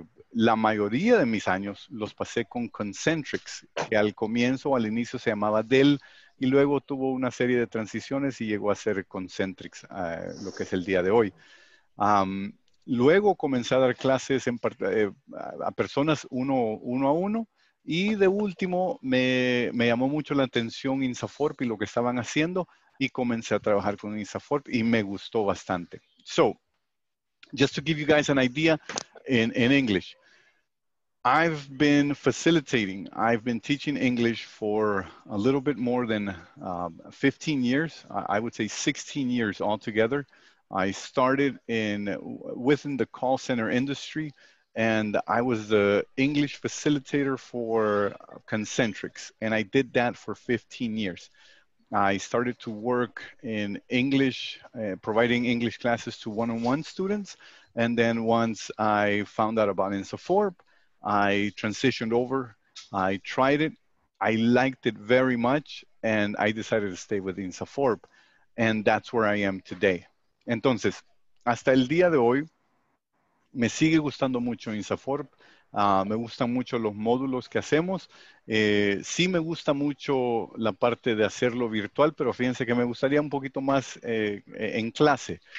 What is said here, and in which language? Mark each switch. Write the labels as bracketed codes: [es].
[es] La mayoría de mis años los pasé con Concentrix, que al comienzo o al inicio se llamaba Dell, y luego tuvo una serie de transiciones y llegó a ser Concentrix, lo que es el día de hoy. Luego comencé a dar clases a personas uno a uno, y de último me llamó mucho la atención INSAFORP y lo que estaban haciendo, y comencé a trabajar con INSAFORP y me gustó bastante. [en] So, just to give you guys an idea in English, I've been facilitating, I've been teaching English for a little bit more than 15 years, I would say 16 years altogether. I started within the call center industry, and I was the English facilitator for Concentrix, and I did that for 15 years. I started to work in English, providing English classes to one-on-one students, and then once I found out about INSAFORP, I transitioned over, I tried it, I liked it very much, and I decided to stay with INSAFORP, and that's where I am today. [es] Entonces, hasta el día de hoy, me sigue gustando mucho INSAFORP. Me gustan mucho los módulos que hacemos. Sí me gusta mucho la parte de hacerlo virtual, pero fíjense que me gustaría un poquito más en clase.